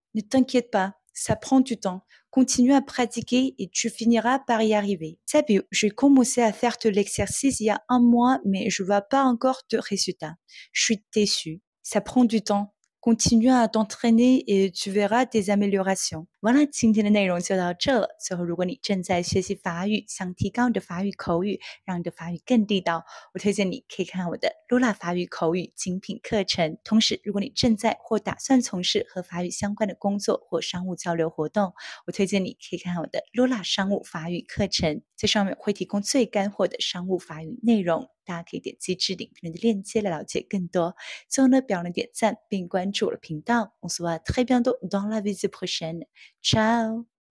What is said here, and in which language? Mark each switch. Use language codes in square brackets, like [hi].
[fr] Ne t'inquiète pas, ça prend du temps. Continue à pratiquer et tu finiras par y arriver. C'est bien, j'ai commencé à faire de l'exercice il y a un mois, mais je ne vois pas encore de résultats. Je suis déçue. Ça prend du temps. Continue à t'entraîner et tu verras des améliorations. [zh] Voilà, 今天的内容就到这了。最后，如果你正在学习法语，想提高你的法语口语，让你的法语更地道，我推荐你可以看我的 Lola 法语口语精品课程。同时，如果你正在或打算从事和法语相关的工作或商务交流活动，我推荐你可以看我的 Lola 商务法语课程。这上面会提供最干货的商务法语内容，大家可以点击置顶评论的链接来了解更多。最后呢，别忘了点赞并关注我的频道。 [fr] On se voit très bientôt dans la vidéo prochaine。Ciao!